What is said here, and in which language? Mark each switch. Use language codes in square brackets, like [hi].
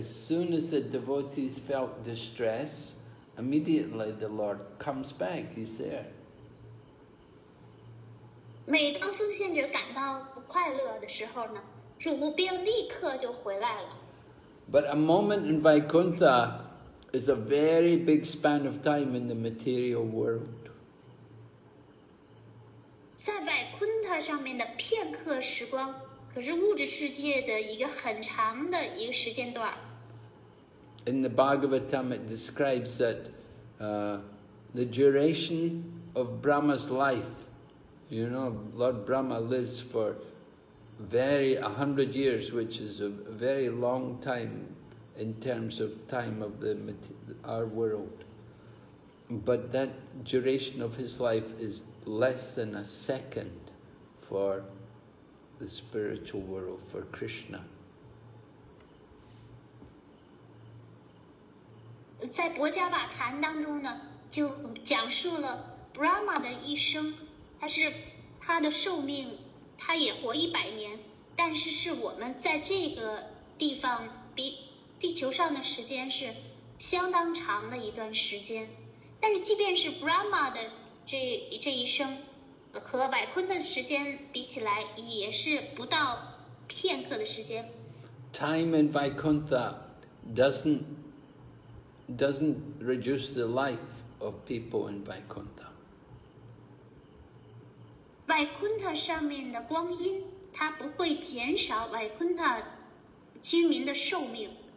[en] As soon as the devotees felt distress, immediately the Lord comes back. He's there. [zh] 每当奉献者感到不快乐的时候呢，主便立刻就回来了。 [en] But a moment in Vaikuntha is a very big span of time in the material world. [zh] 在 Vaikuntha 上面的片刻时光，可是物质世界的一个很长的一个时间段。 [en] In the Bhagavatam, it describes that the duration of Brahma's life, you know, Lord Brahma lives for 100 years, which is a very long time in terms of time of our world. But that duration of his life is less than a second for the spiritual world, for Krishna. [zh] 在《薄伽瓦坛》当中呢，就讲述了 Brahma 的一生，他的寿命，他也活100年，但是我们在这个地方比地球上的时间是相当长的一段时间。但是即便是 Brahma 的这一生和百坤的时间比起来，也是不到片刻的时间。 [en] Time in Vaikuntha doesn't reduce the life of people in Vaikuntha. [zh] Vaikuntha 上面的光阴，它不会减少 Vaikuntha 居民的寿命。